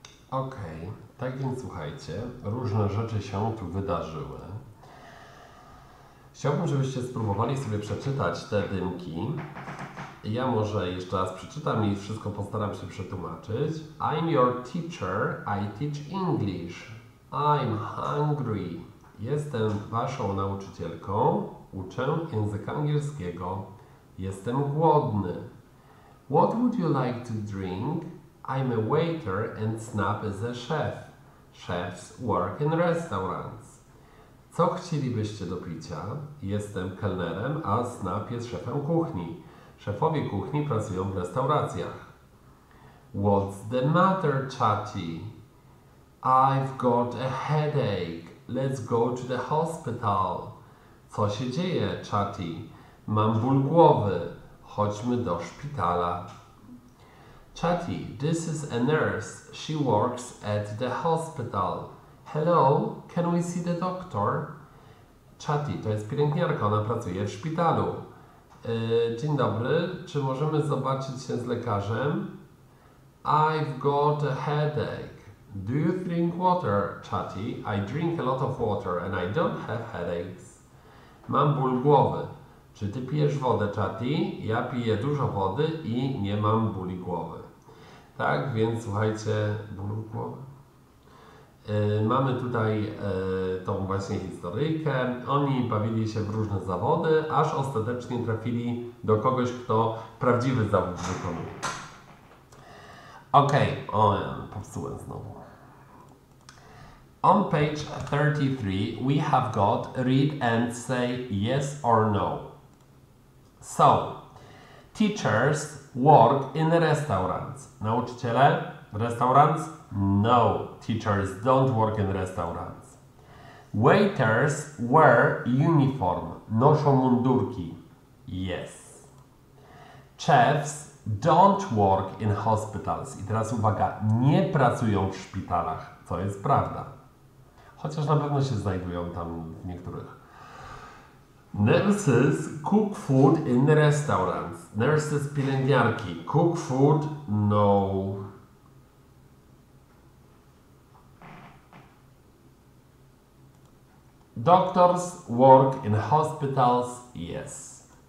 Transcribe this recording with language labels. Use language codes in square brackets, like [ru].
[pl] Okej, tak więc słuchajcie, różne rzeczy się tu wydarzyły. Chciałbym, żebyście spróbowali sobie przeczytać te dymki. Ja może jeszcze raz przeczytam i wszystko postaram się przetłumaczyć. [en] I'm your teacher, I teach English. I'm hungry. [pl] Jestem waszą nauczycielką, uczę języka angielskiego. Jestem głodny. [en] What would you like to drink? I'm a waiter and Snap is a chef. Chefs work in restaurants. [pl] Co chcielibyście do picia? Jestem kelnerem, a Snap jest szefem kuchni. Szefowie kuchni pracują w restauracjach. [en] What's the matter, Chatty? I've got a headache. Let's go to the hospital. [pl] Co się dzieje, Chatty? Mam ból głowy. Chodźmy do szpitala. [en] Chatty, this is a nurse. She works at the hospital. Hello, can we see the doctor? [pl] Chatty, to jest pielęgniarka, ona pracuje w szpitalu. Dzień dobry, czy możemy zobaczyć się z lekarzem? [en] I've got a headache. Do you drink water, Chatty? I drink a lot of water and I don't have headaches. [pl] Mam ból głowy. Czy ty pijesz wodę, Chatty? Ja piję dużo wody i nie mam bóli głowy. Tak, więc słuchajcie, ból głowy. Mamy tutaj tą właśnie historyjkę. Oni bawili się w różne zawody, aż ostatecznie trafili do kogoś, kto prawdziwy zawód wykonuje. Okej, okay. Popsułem znowu. [en] On page 33 we have got read and say yes or no. So, teachers work in restaurants. Nauczyciele, restaurants? No, teachers don't work in restaurants. Waiters wear uniform. [pl] Noszą mundurki. [en] Yes. Chefs don't work in hospitals. [pl] I teraz uwaga, nie pracują w szpitalach, co jest prawda. Chociaż na pewno się znajdują tam w niektórych. [en] Nurses cook food in the restaurants. Nurses, pielęgniarki, cook food, no. Doctors work in hospitals, yes.